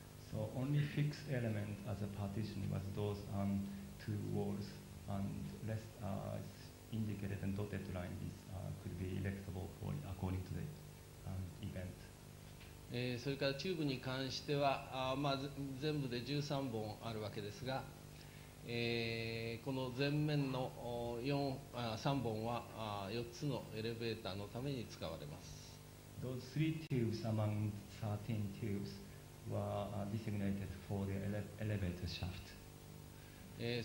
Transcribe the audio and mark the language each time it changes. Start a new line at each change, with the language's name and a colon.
English: So only fixed element as a partition was those two walls and rest indicated and dotted line is could be electable for according to the event.
Japanese: それからチューブに関しては、全部で13本あるわけですが、この前面の3本は4つのエレベーターのために使われます。
English: Those three tubes among 13 tubes were designated for the elevator shaft.